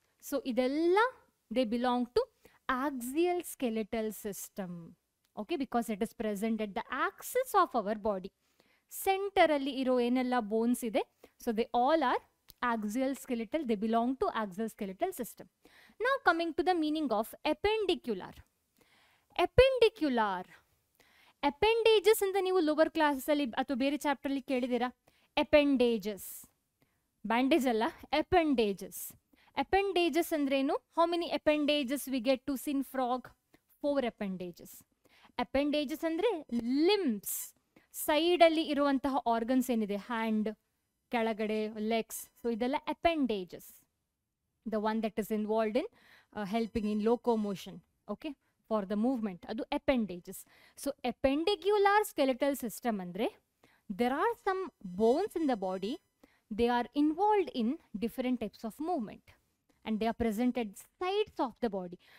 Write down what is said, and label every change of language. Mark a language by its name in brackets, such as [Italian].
[English] So ಇದೆಲ್ಲ they belong to axial skeletal system. Okay, because it is present at the axis of our body, [Kannada] ಸೆಂಟರಲ್ಲಿ ಇರೋ ಏನೆಲ್ಲ bones ಇದೆ, [English] So they all are axial skeletal, they belong to axial skeletal system. Now coming to the meaning of appendicular. Appendicular, appendages in the new lower classes [Kannada] alli athwa bere chapter alli kelidira, [English] appendages, bandage alla, appendages. [Kannada] Appendages andre enu? [English] How many appendages we get to see in frog? 4 appendages. [Kannada] Appendages andre limbs, side alli iruvantaha organs enide, hand, ಕೆಳಗಡೆ legs. [English] So ಇದೆಲ್ಲ appendages, the one that is involved in helping in locomotion. Okay, for the movement, ಅದು appendages. So appendicular skeletal system ಅಂದರೆ there are some bones in the body, they are involved in different types of movement and they are presented sides of the body.